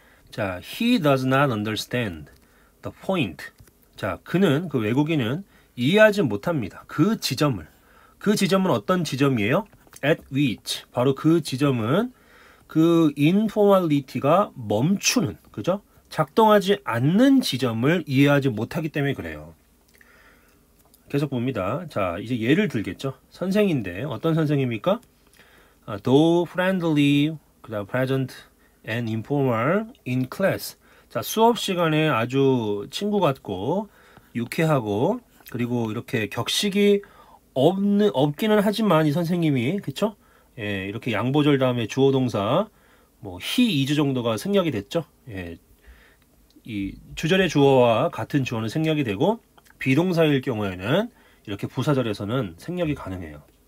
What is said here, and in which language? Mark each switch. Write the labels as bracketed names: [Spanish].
[English] 자, he does not understand the point. [Korean] 자, 그는, 그 외국인은 이해하지 못합니다. 그 지점을. 그 지점은 어떤 지점이에요? [English] At which. [Korean] 바로 그 지점은 그 informality가 멈추는, 그죠? 작동하지 않는 지점을 이해하지 못하기 때문에 그래요. 계속 봅니다. 자, 이제 예를 들겠죠? 선생인데, 어떤 선생입니까? [English] Though friendly, [Korean] 그다음 [English] present and informal in class. [Korean] 자, 수업 시간에 아주 친구 같고 유쾌하고 그리고 이렇게 격식이 없기는 하지만 이 선생님이 그쵸? 예, 이렇게 양보절 다음에 주어 동사 뭐 [English] he is [Korean] 정도가 생략이 됐죠? 예, 이 주절의 주어와 같은 주어는 생략이 되고 비동사일 경우에는 이렇게 부사절에서는 생략이 가능해요.